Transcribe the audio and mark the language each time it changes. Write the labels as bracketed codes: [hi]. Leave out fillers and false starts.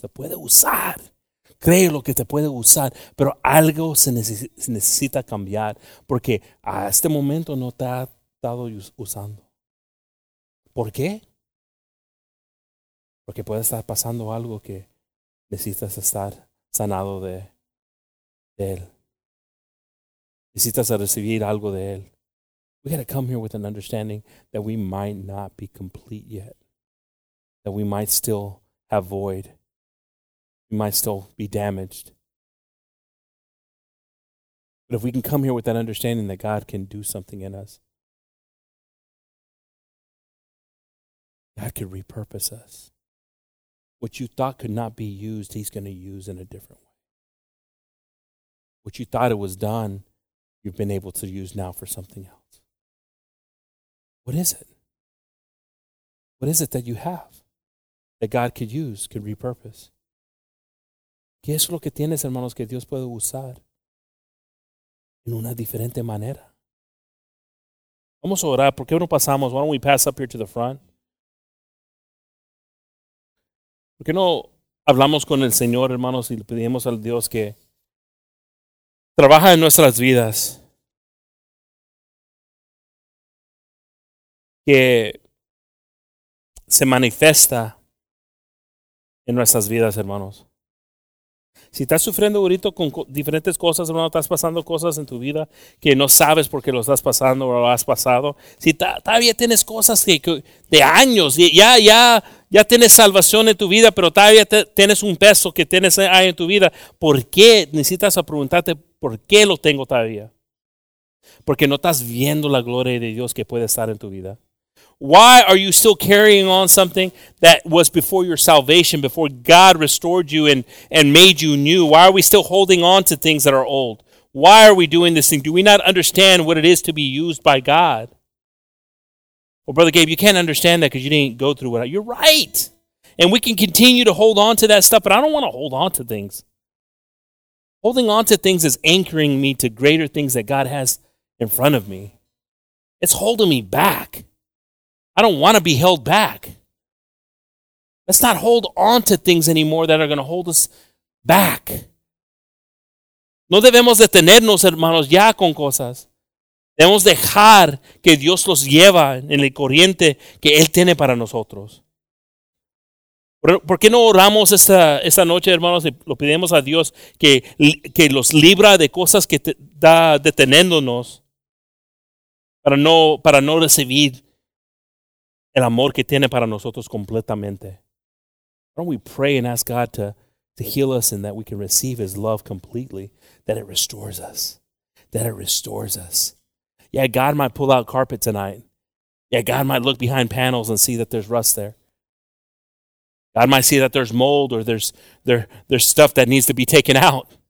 [es] Te puede usar. Créelo que te puede usar. Pero algo se necesita cambiar, porque a este momento no te ha estado usando. ¿Por qué? Porque puede estar pasando algo que necesitas estar sanado de él. Necesitas recibir algo de él. [en] We got to come here with an understanding that we might not be complete yet. That we might still have void. We might still be damaged. But if we can come here with that understanding that God can do something in us, God can repurpose us. What you thought could not be used, he's going to use in a different way. What you thought it was done, you've been able to use now for something else. What is it? What is it that you have that God could use, could repurpose? [es] ¿Qué es lo que tienes, hermanos, que Dios puede usar en una diferente manera? Vamos a orar. ¿Por qué no pasamos? [en] Why don't we pass up here to the front? [es] ¿Por qué no hablamos con el Señor, hermanos, y le pedimos al Dios que trabaja en nuestras vidas. Que se manifiesta en nuestras vidas, hermanos. Si estás sufriendo ahorita con diferentes cosas, hermano, estás pasando cosas en tu vida que no sabes por qué lo estás pasando o lo has pasado. Si todavía tienes cosas que de años, ya tienes salvación en tu vida, pero todavía tienes un peso que tienes ahí en tu vida. ¿Por qué? Necesitas preguntarte por qué lo tengo todavía. Porque no estás viendo la gloria de Dios que puede estar en tu vida. [en] Why are you still carrying on something that was before your salvation, before God restored you and made you new? Why are we still holding on to things that are old? Why are we doing this thing? Do we not understand what it is to be used by God? Well, Brother Gabe, you can't understand that because you didn't go through what I... You're right. And we can continue to hold on to that stuff, but I don't want to hold on to things. Holding on to things is anchoring me to greater things that God has in front of me. It's holding me back. I don't want to be held back. Let's not hold on to things anymore that are going to hold us back. [es] No debemos detenernos, hermanos, ya con cosas. Debemos dejar que Dios los lleva en el corriente que Él tiene para nosotros. ¿Por qué no oramos esta noche, hermanos, y lo pedimos a Dios que los libra de cosas que está deteniéndonos para no recibir el amor que tiene para nosotros completamente? [en] Why don't we pray and ask God to heal us and that we can receive His love completely, that it restores us, that it restores us. Yeah, God might pull out carpet tonight. Yeah, God might look behind panels and see that there's rust there. God might see that there's mold or there's stuff that needs to be taken out.